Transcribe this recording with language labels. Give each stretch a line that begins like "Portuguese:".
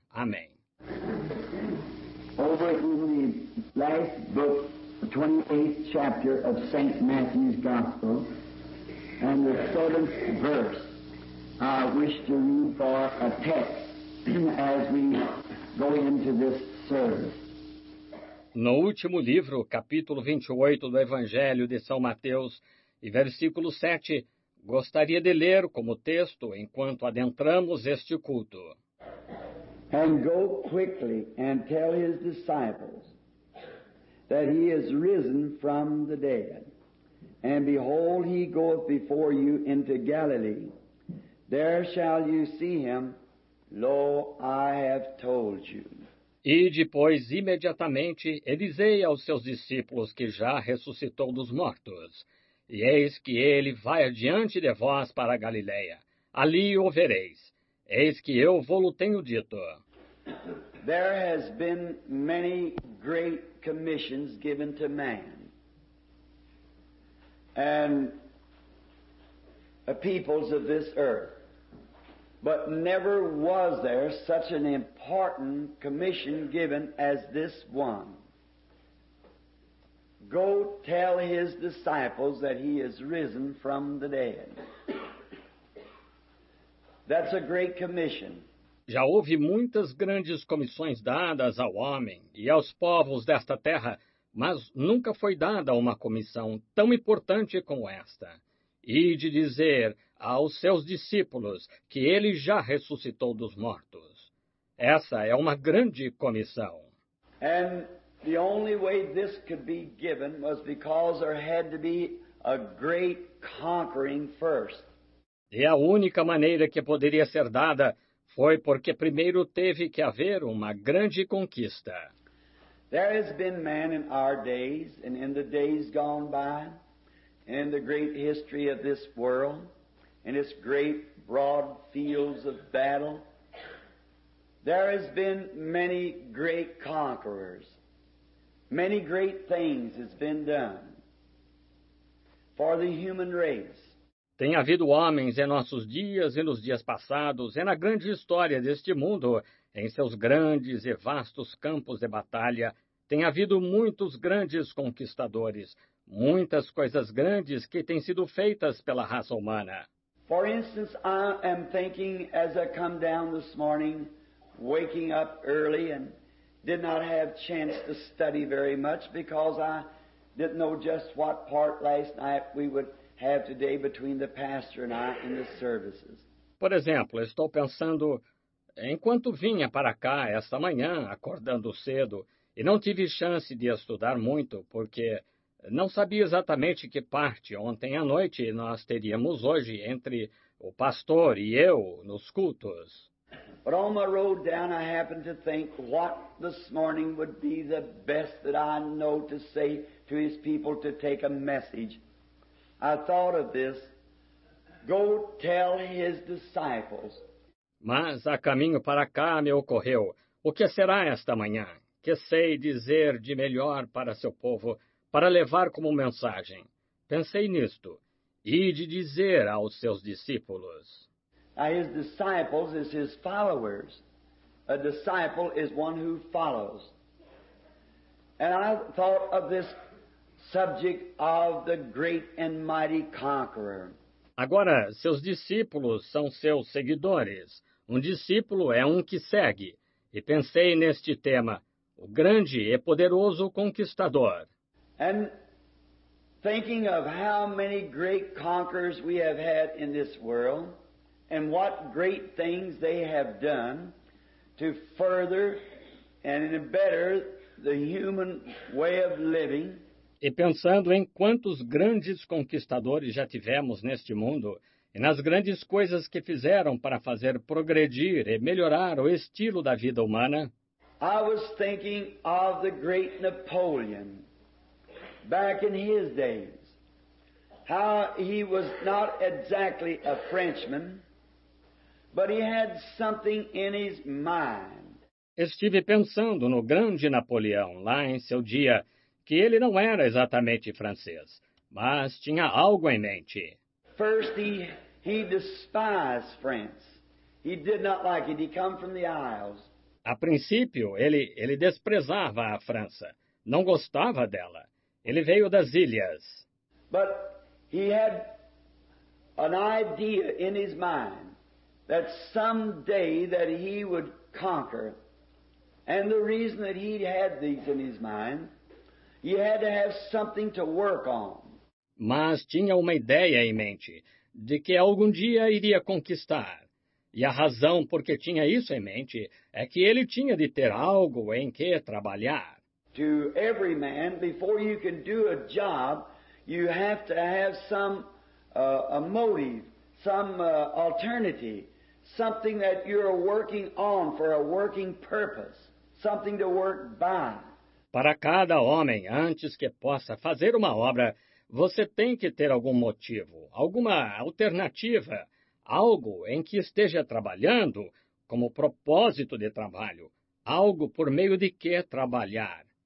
Portuguese: Amém.
English: Over in the last book, the 28th chapter of St. Matthew's Gospel, and the 7th verse, I wish to read for a text as we go into this service.
Portuguese: No último livro, capítulo 28 do Evangelho de São Mateus, e versículo 7, gostaria de ler como texto enquanto adentramos este culto.
English: And go quickly and tell his disciples that he is risen from the dead, and behold, he goeth before you into Galilee. There shall you see him, lo, I have told you.
Portuguese: E depois, imediatamente, dizei aos seus discípulos que já ressuscitou dos mortos. E eis que ele vai adiante de vós para a Galiléia. Ali o vereis. Eis que eu vou-lo tenho dito.
English: There has been many great commissions given to man. And the peoples of this earth. But never was there such an important commission given as this one. Go tell his disciples that he is risen from the dead. That's a great commission.
Portuguese: Já houve muitas grandes comissões dadas ao homem e aos povos desta terra, mas nunca foi dada uma comissão tão importante como esta. E de dizer aos seus discípulos que ele já ressuscitou dos mortos. Essa é uma grande comissão.
English: And the only way this could be given was because there had to be a great conquering first.
Portuguese: E a única maneira que poderia ser dada foi porque primeiro teve que haver uma grande conquista.
English: There has been man in our days and in the days gone by. In the great history of this world, in its great broad fields of battle, there has been many great conquerors. Many great things has been done. for the human race.
Portuguese: Tem havido homens em nossos dias e nos dias passados, e na grande história deste mundo, em seus grandes e vastos campos de batalha, tem havido muitos grandes conquistadores, muitas coisas grandes que têm sido feitas pela raça humana.
English: For instance, I am thinking as I come down this morning, waking up early and did not have chance to study very much because I didn't know just what part last night we would have today between the pastor and I in the services.
Portuguese: Por exemplo, estou pensando, enquanto vinha para cá esta manhã, acordando cedo, e não tive chance de estudar muito, porque não sabia exatamente que parte ontem à noite nós teríamos hoje entre o pastor e eu nos cultos.
English: But on my road down, I happened to think what this morning would be the best that I know to say to his people to take a message. I thought of this. Go tell his disciples.
Portuguese: Mas a caminho para cá me ocorreu. O que será esta manhã? Que sei dizer de melhor para seu povo, para levar como mensagem? Pensei nisto. Ide dizer aos seus discípulos.
English: Now his disciples is his followers. A disciple is one who follows. And I thought of this subject of the great and mighty conqueror.
Portuguese: Agora, seus discípulos são seus seguidores. Um discípulo é um que segue. E pensei neste tema, o grande e poderoso conquistador.
English: And thinking of how many great conquerors we have had in this world, and what great things they have done to further and better the human way of living.
Portuguese: E pensando em quantos grandes conquistadores já tivemos neste mundo e nas grandes coisas que fizeram para fazer progredir e melhorar o estilo da vida humana.
English: I was thinking of the great Napoleon back in his days. How he was not exactly a Frenchman, but he had something in his mind.
Portuguese: Estive pensando no grande Napoleão lá em seu dia, que ele não era exatamente francês, mas tinha algo em mente.
English: First he despised France. He did not like it. He come from the Isles.
Portuguese: A princípio, ele desprezava a França. Não gostava dela. Ele veio das ilhas.
English: But he had an idea in his mind that someday that he would conquer. And the reason that he had these in his mind, he had to have something to work on.
Portuguese: Mas tinha uma ideia em mente de que algum dia iria conquistar. E a razão por que tinha isso em mente é que ele tinha de ter algo em que trabalhar.
English: To every man, before you can do a job, you have to have some a motive, some alternative, something that you're working on for a working purpose, something to work by.
Portuguese: Para cada homem, antes que possa fazer uma obra, você tem que ter algum motivo, alguma alternativa, algo em que esteja trabalhando, como propósito de trabalho, algo por meio de que trabalhar.